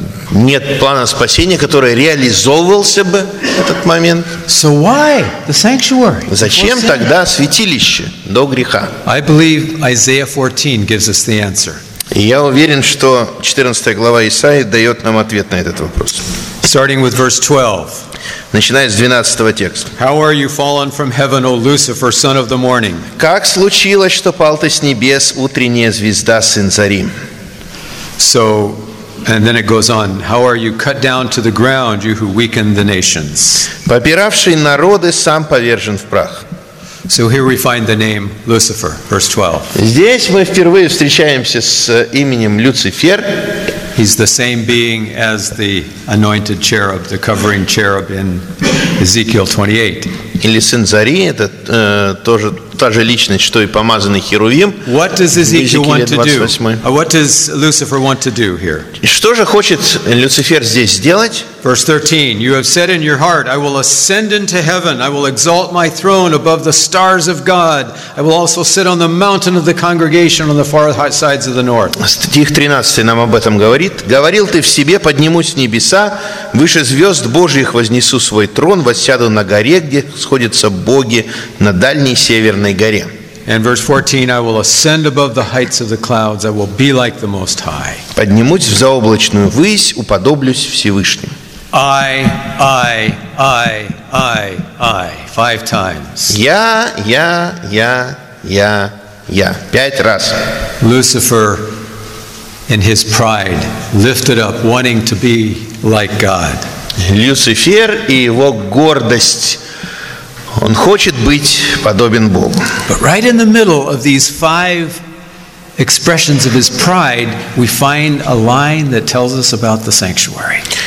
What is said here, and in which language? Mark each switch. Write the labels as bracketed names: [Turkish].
[Russian] Нет плана спасения, который реализовывался бы в этот момент. [English] So why the sanctuary? [Russian] Зачем тогда святилище до греха? [English] I believe Isaiah 14 gives us the answer. [Russian] И я уверен, что 14 глава Исаии дает нам ответ на этот вопрос. [English] Starting with verse 12. [Russian] Начиная с 12 текста. [English] How are you fallen from heaven, O Lucifer, son of the morning? [Russian] Как случилось, что пал ты с небес, утренняя звезда, сын зари? [English] So, and then it goes on. How are you cut down to the ground, you who weaken the nations? [Russian] Попиравший народы, сам повержен в прах. [English] So here we find the name Lucifer, verse 12. [Russian] Здесь мы впервые встречаемся с именем Люцифер. [English] He's the same being as the anointed cherub, the covering cherub in Ezekiel 28. [Russian] Или сын зари, это тоже та же личность, что и помазанный херувим. [English] What does Ezekiel want to do? What does Lucifer want to do here? [Russian] Что же хочет Люцифер здесь сделать? [English] Verse 13. You have said in your heart, I will ascend into heaven. I will exalt my throne above the stars of God. I will also sit on the mountain of the congregation on the far sides of the north. [Russian] Стих 13 нам об этом говорит. Говорил ты в себе, поднимусь с небеса, выше звезд Божьих вознесу свой трон, воссяду на горе, где сходятся боги, на дальней северной горе. [English] And verse 14, I will ascend above the heights of the clouds. I will be like the Most High. [Russian] Поднимусь в заоблачную высь, уподоблюсь Всевышним. [English] I, five times. [Russian] Я. Пять раз. [English] Lucifer, in his pride, lifted up, wanting to be like God. [Russian] Люцифер и его гордость. Он хочет быть подобен Богу. [English] But right in the middle of these five expressions of his pride, we find a line that tells us about the sanctuary.